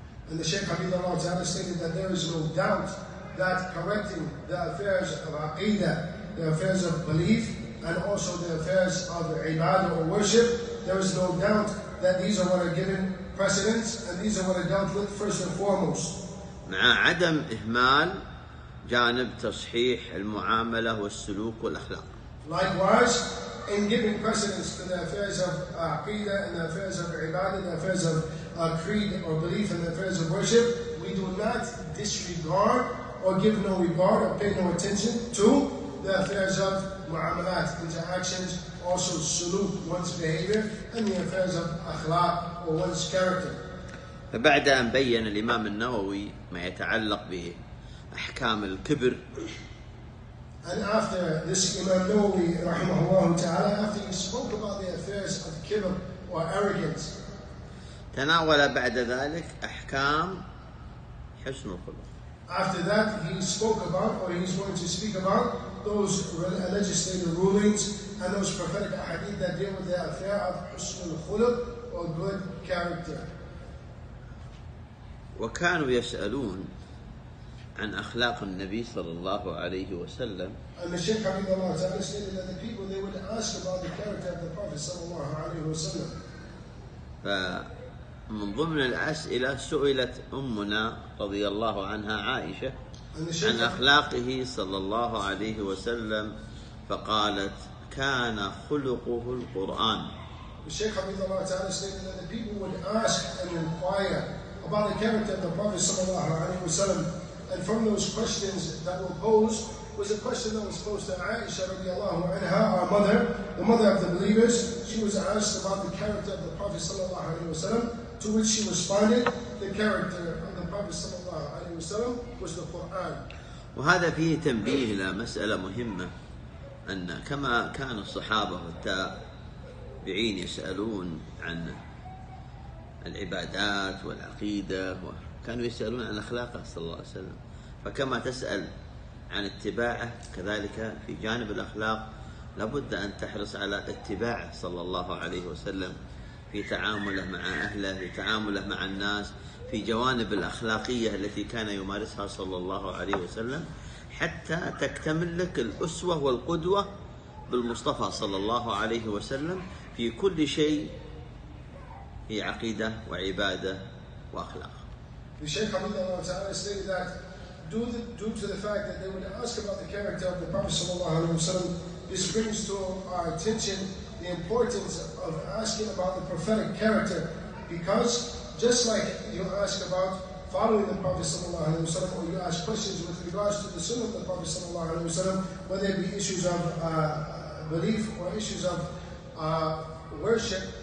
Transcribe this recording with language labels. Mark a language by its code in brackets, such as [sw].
[en] And the Shaykh Habib Allah Ta'ala stated that there is no doubt that correcting the affairs of aqidah, the affairs of belief, and also the affairs of ibadah or worship, there is no doubt that these are what are given precedence and these are what are dealt with first and foremost. [ar] مع عدم إهمال جانب تصحيح المعاملة والسلوك والأخلاق. [en] Likewise, in giving precedence to the affairs of aqidah and the affairs of ibadah, the affairs of creed or belief and the affairs of worship, we do not disregard or give no regard or pay no attention to the affairs of mu'amalat, interactions, also suluk, one's behavior, and the affairs of akhlaq or one's character. [ar] فبعد أن بين الإمام النووي ما يتعلق بأحكام الكبر [en] and after this Imam Nawawi [ar] رحمه الله تعالى [en] after he spoke about the affairs of kibr or arrogance [ar] تناول بعد ذلك أحكام حسن الخلق [en] after that he spoke about or he's going to speak about those legislative rulings and those prophetic ahadith that deal with the affair of حسن الخلق or good character [ar] وكانوا يسألون عن أخلاق النبي صلى الله عليه وسلم. [en] And the Shaykh Habib Allah Ta'ala stated that the people they would ask about the character of the Prophet [ar] صلى الله عليه وسلم. فمن ضمن الأسئلة سئلت أمنا رضي الله عنها عائشة عن أخلاقه صلى الله عليه وسلم فقالت كان خلقه القرآن. [en] The Shaykh Habib Allah Ta'ala stated that the people would ask and inquire about the character of the Prophet sallallahu alaihi wasallam, and from those questions that were posed was a question that was posed to Aisha radiallahu anha, our mother, the mother of the believers. She was asked about the character of the Prophet sallallahu alaihi wasallam, to which she responded, "The character of the Prophet sallallahu alaihi wasallam was the Quran." [ar] وهذا فيه تنبيه إلى مسألة مهمة أن كما كان الصحابة والتابعين يسألون عن العبادات والعقيدة كانوا يسألون عن أخلاقه صلى الله عليه وسلم فكما تسأل عن اتباعه كذلك في جانب الأخلاق لابد أن تحرص على اتباعه صلى الله عليه وسلم في تعامله مع أهله في تعامله مع الناس في جوانب الأخلاقية التي كان يمارسها صلى الله عليه وسلم حتى تكتمل لك الأسوة والقدوة بالمصطفى صلى الله عليه وسلم في كل شيء هي عقيدة وعبادة وأخلاق. [en] The Shaykh Habib Allah Ta'ala stated that due to the fact that they would ask about the character of the Prophet sallallahu alaihi wasallam, this brings to our attention the importance of asking about the prophetic character, because just like you ask about following the Prophet sallallahu alaihi wasallam, or you ask questions with regards to the Sunnah of the Prophet sallallahu alaihi wasallam, whether it be issues of belief or issues of worship.